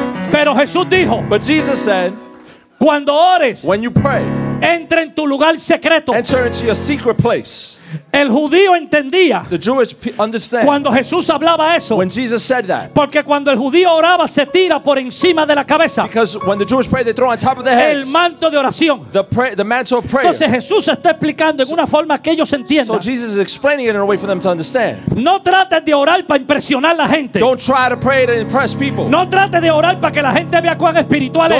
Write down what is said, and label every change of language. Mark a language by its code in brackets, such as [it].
[es] Pero Jesús dijo, [en] but Jesus said, [es] cuando ores, [en] when you pray, [es] entra en tu lugar secreto, [en] enter into your secret place. [es] El judío entendía, [en] the Jewish understand, [es] cuando Jesús hablaba eso, [en] when Jesus said that, [es] porque cuando el judío oraba se tira por encima de la cabeza, [en] because when the Jewish pray they throw on top of their heads, [es] el manto de oración, [en] the mantle of prayer. [es] Entonces Jesús está explicando en una forma que ellos entiendan, [en] so Jesus is explaining it in a way for them to understand. [es] No trates de orar para impresionar la gente, [en] don't try to pray to impress people. [es] No trates de orar para que la gente vea cuán espiritual